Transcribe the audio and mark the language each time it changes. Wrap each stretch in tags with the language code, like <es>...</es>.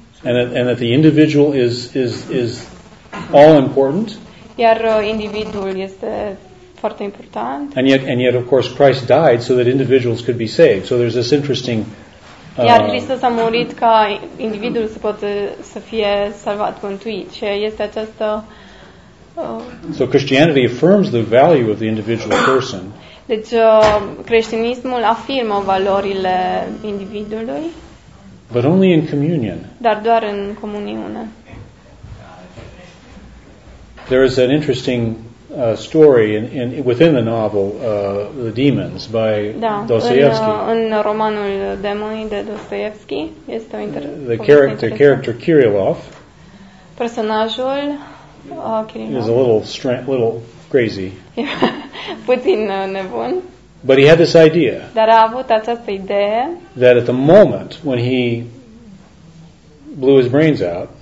<en>And that the individual is all important.</en> <ro>Iar individul este foarte important.</ro> <en>And yet of course Christ died so that individuals could be saved. So there's this interesting</en> <ro>iar Hristos a murit ca individul să poată să fie salvat, mântuit. Și este această</ro> <en>So Christianity affirms the value of the individual person.</en> <ro>Deci creștinismul afirmă valorile individului.</ro> <en>But only in communion.</en> <ro>Dar doar în comuniune.</ro> <en>There is an interesting story in within the novel The Demons by</en> <ro>da,</ro> <en>Dostoevsky.</en> <ro>În romanul Demonii de Dostoevski este o</ro> <en>the character Kirillov.</en> <ro>Personajul</ro> <en>is a little crazy.</en> <ro>Puțin nebun.</ro> <en>But he had this idea.</en> <ro>Dar a avut această idee.</ro> <en>That at the moment when he blew his brains out.</en>